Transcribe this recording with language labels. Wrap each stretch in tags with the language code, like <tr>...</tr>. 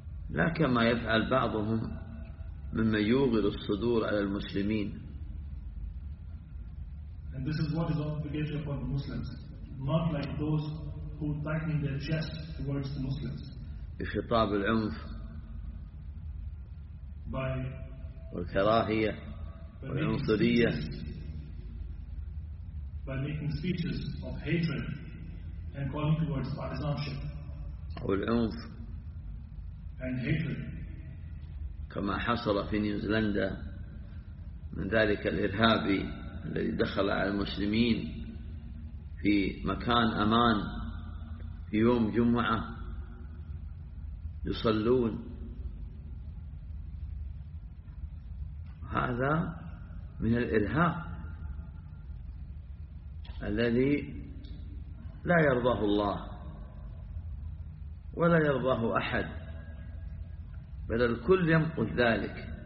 <ar>لا كما يفعل بعضهم مما يوغر الصدور على المسلمين.</ar> <en>And this is what is obligatory upon the Muslims. Not like those who tighten their chest towards the Muslims.</en> <ar>بخطاب العنف.</ar> <en>By.</en> <ar>والكراهية. والعنصرية.</ar> <en>By making speeches of hatred and calling towards partisanship.</en> <ar>والعنف.</ar> <en>And hatred.</en> <ar>كما حصل في نيوزيلندا من ذلك الإرهابي الذي دخل على المسلمين في مكان أمان. في يوم جمعة يصلون، هذا من الإرهاب الذي لا يرضاه الله ولا يرضاه أحد، بل الكل ينقض ذلك.</ar>